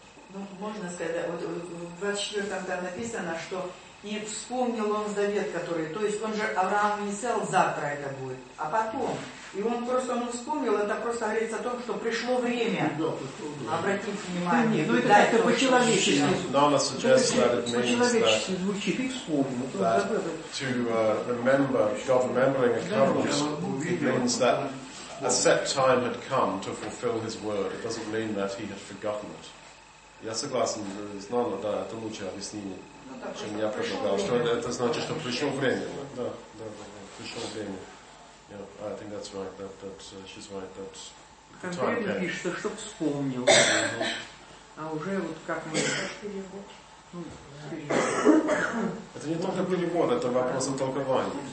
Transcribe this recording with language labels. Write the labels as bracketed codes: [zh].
[ru] Ну, можно сказать, вот в 24-м там написано, что и вспомнил он завет, который, то есть он же Авраам не сказал, завтра это будет, а потом, И он просто вспомнил, это просто говорит о том, что пришло время обратить внимание. Ну, это по-человечески. Да, у нас по-человечески звучит, и вспомнил. [en] To remember, God remembering and covering means that a set time had come to fulfill his word. It doesn't mean that he had forgotten it. [ru] Я согласен, знал, да, это лучшее объяснение, чем я предлагал. Что это значит, что пришло время. Да, да, да, пришло время. [en] Yeah, I think that's right, that she's right, that [ru] time пишется, чтоб вспомнил. А уже вот как мы... Это не только перевод, это вопрос о толковании.